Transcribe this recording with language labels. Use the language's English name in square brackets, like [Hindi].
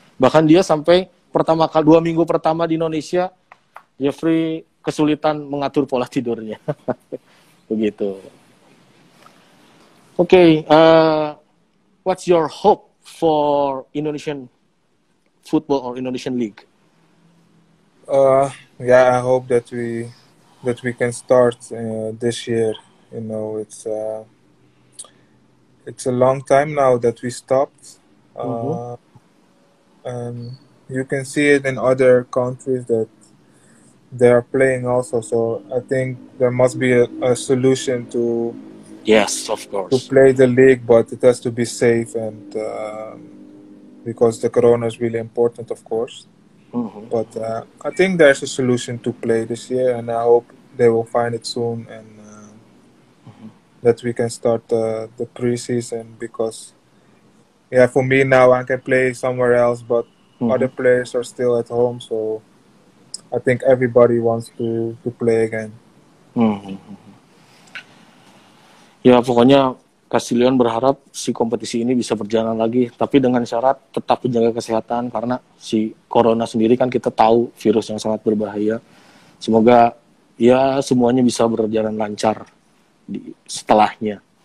[Indonesian] Bahkan dia sampai pertama kali dua minggu pertama di Indonesia, Jeffrey kesulitan mengatur pola tidurnya. Begitu. [English] Oke, what's your hope for Indonesian football or Indonesian league? Yeah, I hope that we can start this year. You know, it's a long time now that we stopped. And you can see it in other countries that they are playing also. So I think there must be a solution to. Yes, of course. To play the league, but it has to be safe, and because the corona is really important, of course. Mm-hmm. But I think there's a solution to play this year, and I hope they will find it soon, and that we can start the preseason. Because, yeah, for me now, I can play somewhere else, but other players are still at home, so I think everybody wants to play again. Mm-hmm. [Indonesian] Ya, pokoknya Castillion berharap si kompetisi ini bisa berjalan lagi, tapi dengan syarat tetap menjaga kesehatan, karena si corona sendiri kan kita tahu virus yang sangat berbahaya. Semoga ya semuanya bisa berjalan lancar di setelahnya.